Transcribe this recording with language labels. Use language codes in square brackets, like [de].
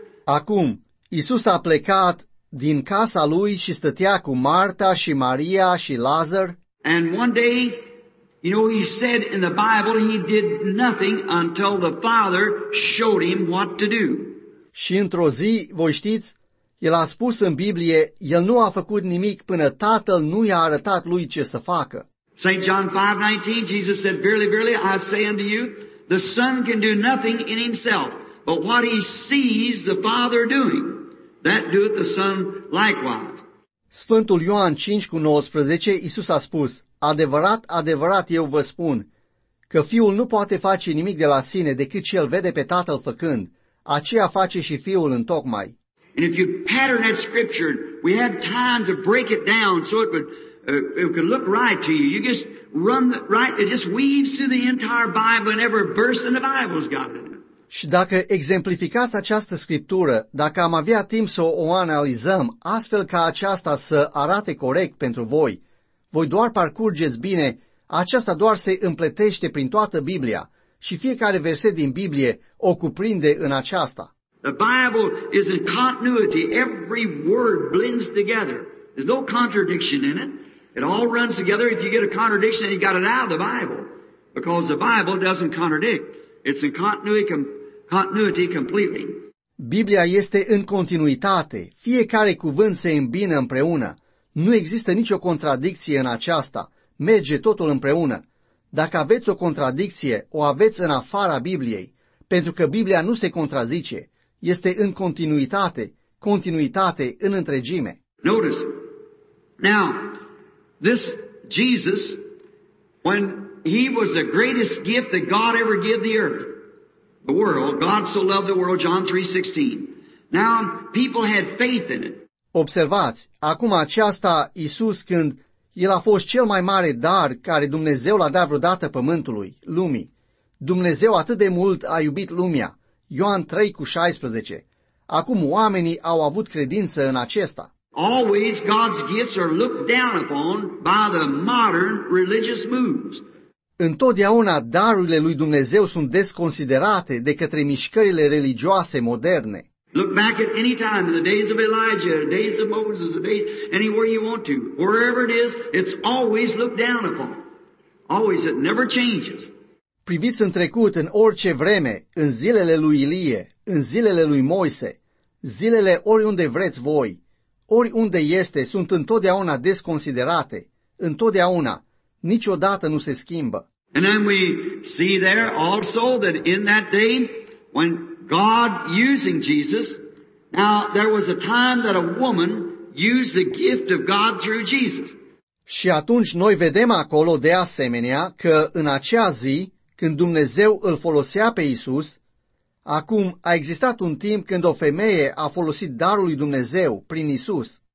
[ro] Acum Iisus a plecat din casa lui și stătea cu Marta și Maria și Lazar. [en] And one day, you know, he said in the Bible he did nothing until the Father showed him what to do. [ro] Și într-o zi, voi știți, el a spus în Biblie, el nu a făcut nimic până Tatăl nu i-a arătat lui ce să facă. [en] St. John 5:19, Jesus said, verily, verily, I say unto you, the Son can do nothing in himself, but what he sees the Father doing, that doeth the Son likewise. [ro] Sfântul Ioan 5:19, Iisus a spus, adevărat, adevărat, eu vă spun, că Fiul nu poate face nimic de la sine decât ce îl vede pe Tatăl făcând. Aceea face și Fiul întocmai. [en] And if you pattern that scripture, we have time to break it down so it could look right to you. You just run right, it just weaves through the entire Bible and every verse in the Bible's got it. [ro] Și dacă exemplificați această scriptură, dacă am avea timp să o analizăm, astfel ca aceasta să arate corect pentru voi, voi doar parcurgeți bine, aceasta doar se împletește prin toată Biblia și fiecare verset din Biblie o cuprinde în aceasta. [en] The Bible is in continuity. Every word blends together. There's no contradiction in it. It all runs together. If you get a contradiction, you got it out of the Bible. Because the Bible doesn't contradict. It's in continuity completely. [ro] Biblia este în continuitate. Fiecare cuvânt se îmbină împreună. Nu există nicio contradicție în aceasta. Merge totul împreună. Dacă aveți o contradicție, o aveți în afara Bibliei, pentru că Biblia nu se contrazice. Este în continuitate, continuitate în întregime. [en] Notice. Now, this Jesus, when He was the greatest gift that God ever gave the earth, the world. God so loved the world, John 3:16. Now, people had faith in it. [ro] Observați, acum aceasta, Iisus, când El a fost cel mai mare dar care Dumnezeu l-a dat vreodată pământului, lumii. Dumnezeu atât de mult a iubit lumea, Ioan 3:16. Acum oamenii au avut credință în acesta. [en] Always God's gifts are looked down upon by the modern religious moves. [ro] Întotdeauna darurile lui Dumnezeu sunt desconsiderate de către mișcările religioase moderne. [en] Look back at any time in the days of Elijah, the days of Moses, the days anywhere you want to, wherever it is, it's always looked down upon. Always, it never changes. [ro] Priviți în trecut, în orice vreme, în zilele lui Ilie, în zilele lui Moise, zilele oriunde vreți voi, oriunde este, sunt întotdeauna desconsiderate, întotdeauna. Niciodată nu se schimbă. [en] And then we see there also that in that day when God using Jesus, now there was a time that a woman used the gift of God through Jesus. [ro] Și atunci noi vedem acolo de asemenea că în acea zi, când Dumnezeu îl folosea pe Iisus, acum a existat un timp când o femeie a folosit darul lui Dumnezeu prin Iisus.